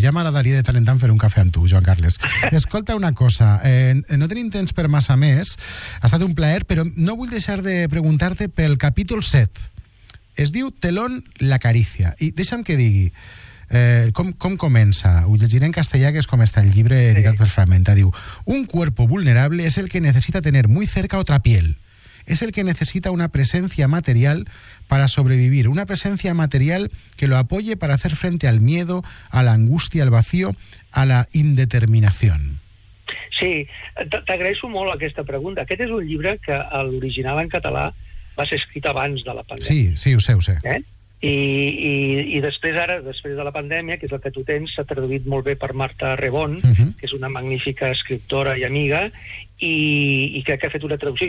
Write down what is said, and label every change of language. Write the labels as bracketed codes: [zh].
[ca] Ja m'agradaria de tant en tant fer un cafè amb tu, Joan Carles. Escolta una cosa, no tenim temps per massa més, ha estat un plaer, però no vull deixar de preguntar-te pel capítol 7. Es diu Telón, la carícia. I deixa'm que digui, com comença? Ho llegiré en castellà, que és com està el llibre editat, sí, per Fragmenta. Diu: [es] un cuerpo vulnerable es el que necesita tener muy cerca otra piel. Es el que necesita una presencia material para sobrevivir. Una presencia material que lo apoye para hacer frente al miedo, a la angustia, al vacío, a la indeterminación. [ca] Sí, t'agraeixo molt aquesta pregunta. Aquest és un llibre que l'original en català va ser escrit abans de la pandèmia. Sí, sí, ho sé. Eh? I després, ara, després de la pandèmia, que és el que tu tens, s'ha traduït molt bé per Marta Rebón, uh-huh, que és una magnífica escriptora i amiga, i que ha fet una traducció.